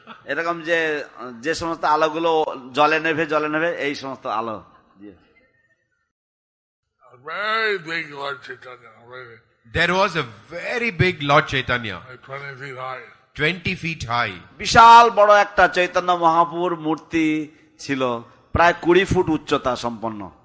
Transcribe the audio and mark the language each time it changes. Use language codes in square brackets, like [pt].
[bn] এরকম যে যে সমস্ত আলোগুলো জলে নেভে এই সমস্ত আলো দিয়ে [en] very big Lord Chaitanya. There was a very big Lord Chaitanya. 20 feet high. [bn] বিশাল বড় একটা চৈতন্য মহাপ্রভুর মূর্তি ছিল প্রায় 20 ফুট উচ্চতা সম্পন্ন